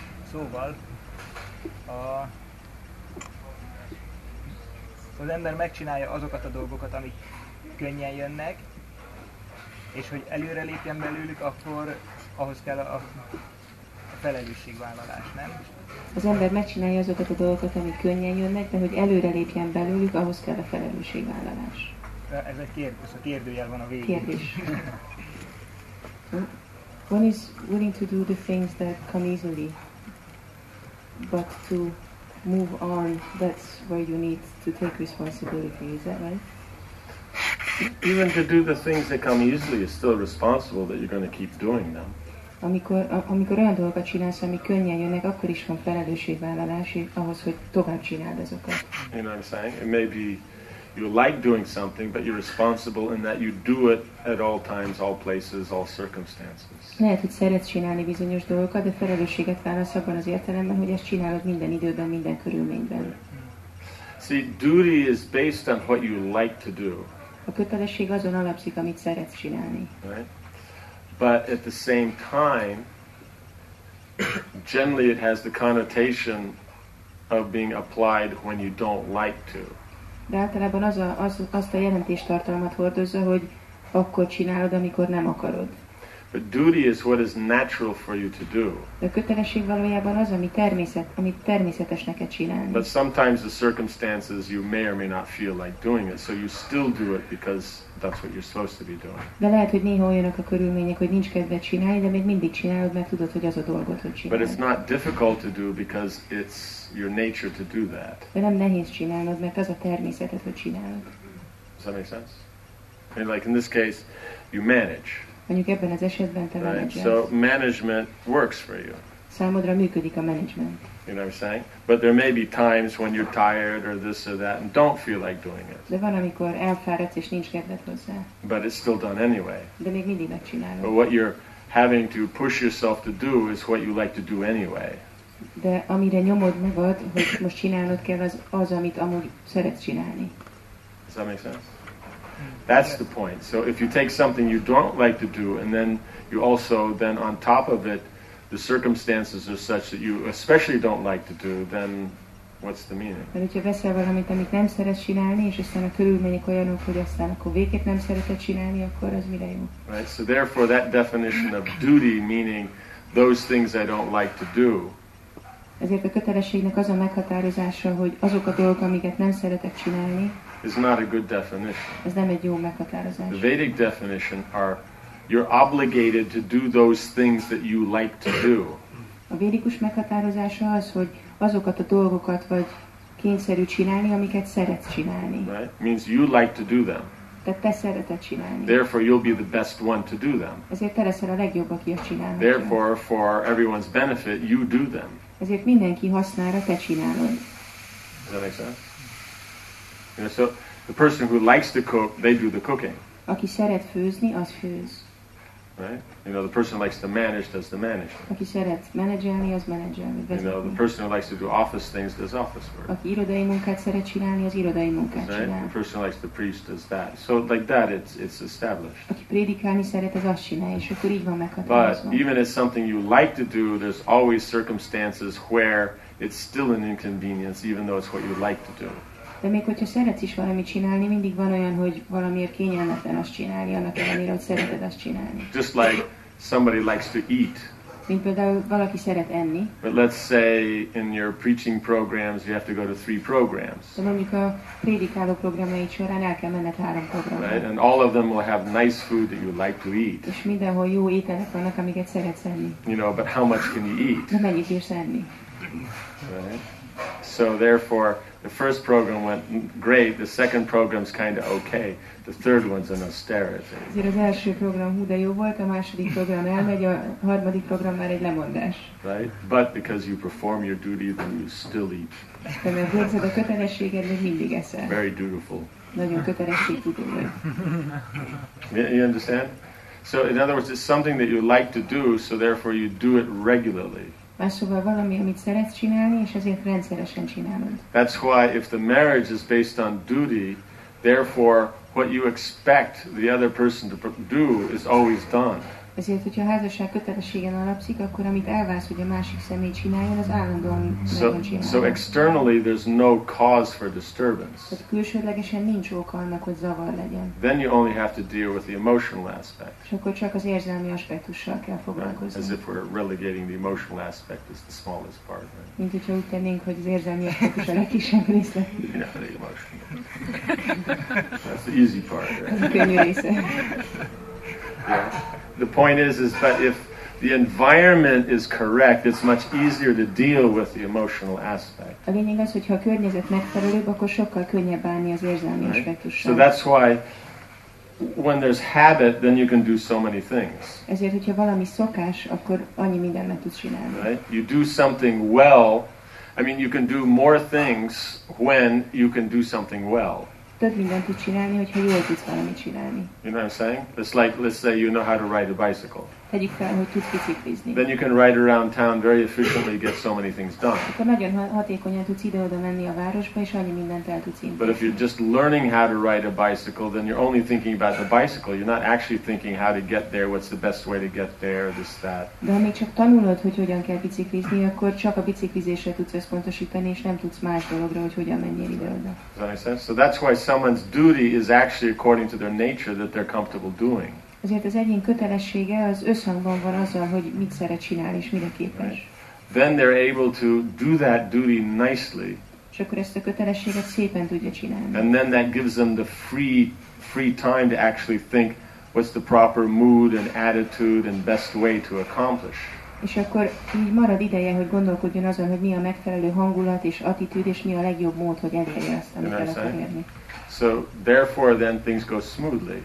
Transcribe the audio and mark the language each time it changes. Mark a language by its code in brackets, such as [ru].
[hu] Szóval, az ember megcsinálja azokat a dolgokat, amik könnyen jönnek, és hogy előre lépjen belőlük, akkor ahhoz kell a felelősségvállalás, nem? Az ember megcsinálja azokat a dolgokat, amik könnyen jönnek, de hogy előre lépjen belőlük, ahhoz kell a felelősségvállalás. Ez egy kérdés, a kérdőjel van a végén. Kérdés. [en] One is willing to do the things that come easily, but to move on, that's where you need to take responsibility, is that right? Even to do the things that come easily is still responsible that you're going to keep doing them. [hu] Amikor olyan dolgokat csinálsz, ami könnyen jönnek, akkor is van felelősségvállalás ahhoz, hogy tovább csináld azokat. [en] You know what I'm saying? It may be you like doing something, but you're responsible in that you do it at all times, all places, all circumstances. [hu] Lehet, hogy szeretsz csinálni bizonyos dolgokat, de felelősséget válasz abban az értelemben, hogy ezt csinálod minden időben, minden körülményben. [en] See, duty is based on what you like to do. [hu] A kötelesség azon alapszik, amit szeretsz csinálni. [en] But at the same time, generally it has the connotation of being applied when you don't like to. [hu] De általában azt a jelentéstartalmat hordozza, hogy akkor csinálod, amikor nem akarod. [en] But duty is what is natural for you to do. [hu] A kötelesség valójában az, amit természetes neked csinálni. [en] But sometimes the circumstances you may or may not feel like doing it, so you still do it because that's what you're supposed to be doing. [hu] De lehet, hogy néha olyanok a körülmények, hogy nincs kedved csinálni, de még mindig csinálod, mert tudod, hogy az a dolgot, hogy csinálod. [en] But it's not difficult to do because it's your nature to do that. [hu] De nem nehéz csinálnod, mert az a természeted, hogy csinálod. [en] Does that make sense? And like in this case, you manage. [hu] Mondjuk ebben az esetben te menedzselsz. [en] Right? So management works for you. [hu] Számodra működik a management. [en] You know what I'm saying? But there may be times when you're tired or this or that and don't feel like doing it. [hu] De van, amikor elfáradsz és nincs kedved hozzá. [en] But it's still done anyway. [hu] De még mindig megcsinálod. [en] But what you're having to push yourself to do is what you like to do anyway. [hu] De amire nyomod magad, hogy most csinálnod kell, az az, amit amúgy szeretsz csinálni. [en] Does that make sense? That's the point. So if you take something you don't like to do, and then you also, then on top of it, the circumstances are such that you especially don't like to do, then what's the meaning? [hu] Mert hogyha veszel valamit, amit nem szeretsz csinálni, és aztán a körülmények olyanok, hogy aztán akkor végképp nem szereted csinálni, akkor az mire jó? [en] Right, so therefore that definition of duty, meaning those things I don't like to do. [hu] Ezért a kötelességnek az a meghatározása, hogy azok a dolgok, amiket nem szeretek csinálni, [en] is not a good definition. [hu] Ez nem egy jó meghatározás. [en] The Vedic definition are you're obligated to do those things that you like to do. [hu] A védikus meghatározása az, hogy azokat a dolgokat vagy kényszerű csinálni, amiket szeretsz csinálni. [en] Right? Means you like to do them. [hu] Tehát te szereted csinálni. [en] Therefore you'll be the best one to do them. [hu] Ezért te leszel a legjobb, aki azt csinálhatja. [en] Therefore for everyone's benefit you do them. [hu] Ezért mindenki hasznára te csinálod. [en] Does that make sense? You know, so the person who likes to cook, they do the cooking. [hu] Aki szeret főzni, az főz. [en] Right? You know, the person who likes to manage, does the management. [hu] Aki szeret menedzselni, az menedzselni. [en] You know, the person who likes to do office things, does office work. [hu] Aki irodai munkát szeret csinálni, az irodai munkát [en] right? [hu] csinál. [en] The person who likes to preach, does that. So like that, it's established. [hu] Aki prédikálni szeret, az azt csinálja, és akkor így van meghatározva. [en] But even if something you like to do, there's always circumstances where it's still an inconvenience, even though it's what you like to do. [hu] De még hogyha szeretsz is valamit csinálni, mindig van olyan, hogy valamiért kényelmetlen azt csinálni, annak ellenére, hogy szereted azt csinálni. [en] Just like somebody likes to eat. [hu] Mint például valaki szeret enni. [en] But let's say in your preaching programs you have to go to 3 programs. [hu] De mondjuk a prédikáló programjaid során el kell menned 3 programra. [en] Right? And all of them will have nice food that you like to eat. [hu] És mindenhol jó ételek vannak, amiket szeretsz enni. [en] You know, but how much can you eat? [hu] De mennyit bírsz enni? [en] Right? So therefore, the first program went great, the second program's kind of okay, the third one's an austerity. [hu] Ezért az első program hú, de jó volt, a második program elmegy, a harmadik program már egy lemondás. [en] Right? But because you perform your duty, then you still eat. [hu] De mert hozzad a kötelességed, még mindig eszel. [en] Very dutiful. [hu] Nagyon kötelességtudó vagy. [en] You understand? So in other words, it's something that you like to do, so therefore you do it regularly. [hu] Más szóval valami, amit szeretsz csinálni, és ezért rendszeresen csinálod. [en] That's why if the marriage is based on duty, therefore what you expect the other person to do is always done. [hu] Ezért, hogyha a házasság kötelességen alapszik, akkor amit elvársz, hogy a másik személy csináljon, az állandóan megcsinálja. [en] So externally there's no cause for disturbance. [hu] Tehát külsődlegesen nincs oka annak, hogy zavar legyen. [en] Then you only have to deal with the emotional aspect. [hu] És akkor csak az érzelmi aspektussal kell foglalkozni. [en] Right. As if we're relegating the emotional aspect as the smallest part. Right? [hu] Mint hogyha úgy tennénk, hogy az érzelmi aspektus a legkisebb része. [en] That's the easy part, right? [hu] Az a könnyű része. [en] Yeah. The point is that if the environment is correct, it's much easier to deal with the emotional aspect. [hu] A lényeg az, hogyha a környezet megfelelőbb, akkor sokkal könnyebb bánni az érzelmi aspektussal. [en] So that's why when there's habit, then you can do so many things. [hu] Ezért, hogyha valami szokás, akkor annyi mindent meg tudsz csinálni. [en] Right? You do something well. I mean, you can do more things when you can do something well. [hu] Több mindent tud csinálni, hogyha jól tudsz valamit csinálni. [en] You know what I'm saying? It's like, let's say you know how to ride a bicycle. [hu] Tegyük fel, hogy tudsz biciklizni. [en] Then you can ride around town very efficiently, get so many things done. [hu] Akkor nagyon hatékonyan tudsz ide-oda menni a városba, és annyi mindent el tudsz intézni. [en] But if you're just learning how to ride a bicycle, then you're only thinking about the bicycle. You're not actually thinking how to get there, what's the best way to get there, this, that. [hu] De ha még csak tanulod, hogy hogyan kell biciklizni, akkor csak a biciklizésre tudsz összpontosítani, és nem tudsz más dologra, hogy hogyan menjél ide-oda. [en] Does that make sense? So that's why someone's duty is actually according to their nature that they're comfortable doing. [hu] Azért az egyén kötelessége az összhangban van azzal, hogy mit szeret csinálni és mire képes. [en] Right. Then they're able to do that duty nicely. [hu] És akkor ezt a kötelességet szépen tudja csinálni. [en] And then that gives them the free time to actually think what's the proper mood and attitude and best way to accomplish. [hu] És akkor így marad ideje, hogy gondolkodjon azon, hogy mi a megfelelő hangulat és attitűd, és mi a legjobb mód, hogy elérje azt, amit el akar érni. [en] So therefore then things go smoothly.